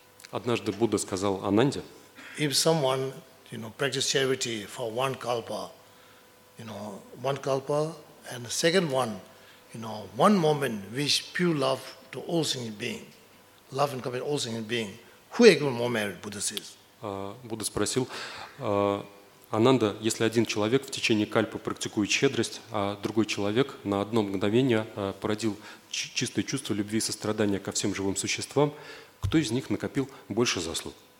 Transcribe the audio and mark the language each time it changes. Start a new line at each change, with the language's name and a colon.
Russian: Однажды Будда сказал Ананде:
English: If someone, you know, practice charity for one kalpa, you know, one kalpa, and the second one, you know, one moment wish pure love to all sentient being, love and compassion all sentient being.
Russian: Будда спросил, Ананда, если один человек в течение кальпы практикует щедрость, а другой человек на одно мгновение породил чистое чувство любви и сострадания ко всем живым существам, кто из них накопил больше заслуг?